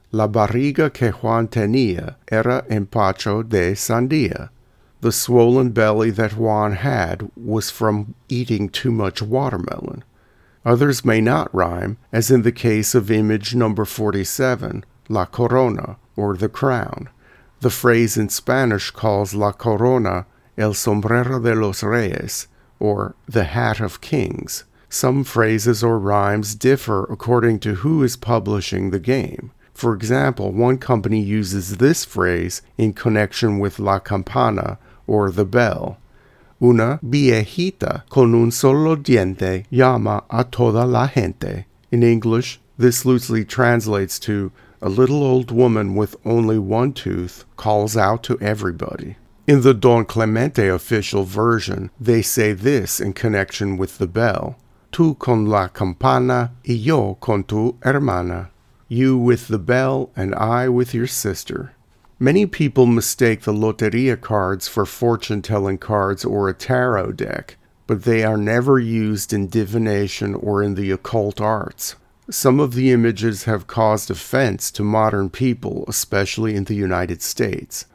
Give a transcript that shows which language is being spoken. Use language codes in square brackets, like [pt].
[es] La barriga que Juan tenía era empacho de sandía. [en] The swollen belly that Juan had was from eating too much watermelon. Others may not rhyme, as in the case of image number 47, La Corona, or the crown. The phrase in Spanish calls La Corona [es] el sombrero de los reyes, [en] or the hat of kings. Some phrases or rhymes differ according to who is publishing the game. For example, one company uses this phrase in connection with La Campana, or the bell. [es] Una viejita con un solo diente llama a toda la gente. [en] In English, this loosely translates to, a little old woman with only one tooth calls out to everybody. In the Don Clemente official version, they say this in connection with the bell. [es] Tú con la campana y yo con tu hermana. [en] You with the bell and I with your sister. Many people mistake the Loteria cards for fortune-telling cards or a tarot deck, but they are never used in divination or in the occult arts. Some of the images have caused offense to modern people, especially in the United States.